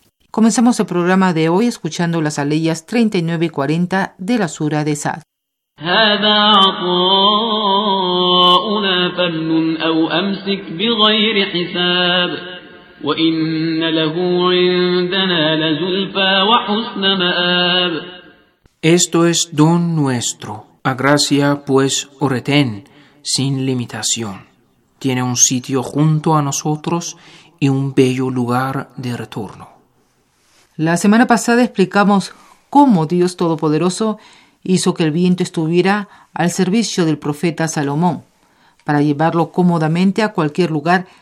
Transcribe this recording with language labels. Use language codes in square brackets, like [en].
[es] Comenzamos el programa de hoy escuchando las aleyas 39 y 40 de la sura de Sa'd. [ar] هذا عطاؤنا فامنن أو أمسك بغير حساب وإن له عندنا لزلفى وحسن مآب. [es] Esto es don nuestro. A gracia, pues, o retén, sin limitación. Tiene un sitio junto a nosotros y un bello lugar de retorno. La semana pasada explicamos cómo Dios Todopoderoso hizo que el viento estuviera al servicio del profeta Salomón, para llevarlo cómodamente a cualquier lugar